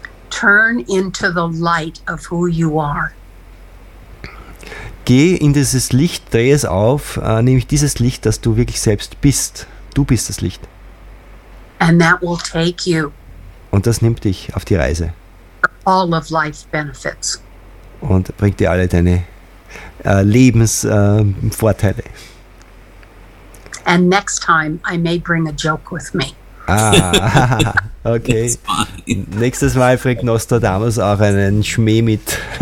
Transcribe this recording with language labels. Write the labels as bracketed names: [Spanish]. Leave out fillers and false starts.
[English] Turn into the light of who you are. [German] Geh in dieses Licht, dreh es auf, nämlich dieses Licht, das du wirklich selbst bist. Du bist das Licht. [English] And that will take you. [German] Und das nimmt dich auf die Reise. [English] All of life benefits. [German] Und bringt dir alle deine Lebensvorteile. [English] And next time I may bring a joke with me. Ah, okay. [German] Nächstes Mal bringt Nostradamus auch einen Schmäh mit.